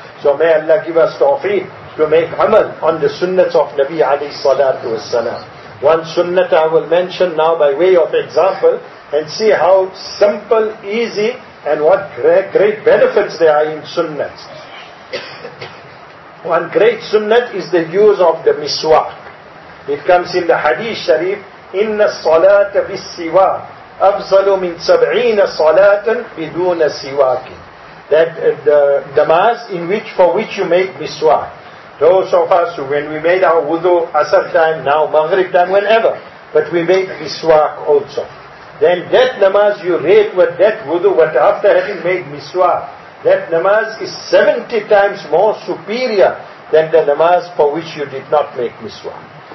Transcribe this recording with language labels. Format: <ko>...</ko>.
<en>So may Allah give us tawfiq to make amal on the sunnahs of Nabi alayhi salatu wasalam. One sunnah I will mention now by way of example, and see how simple, easy, and what great benefits there are in sunnahs. One great sunnah is the use of the miswak. It comes in the hadith sharif,</en> <ar>إِنَّ الصَّلَاةَ بِالسِّوَاكِ أَفْزَلُ مِنْ سَبْعِينَ صَلَاةً بِدُونَ سِوَاكِ.</ar> <en>That the namaz for which you make miswak. Those of us who, when we made our wudu, asr time, now maghrib time, whenever, but we make miswak also. Then that namaz you rate with that wudu, but after having made miswak, that namaz is 70 times more superior than the namaz for which you did not make miswak.</en>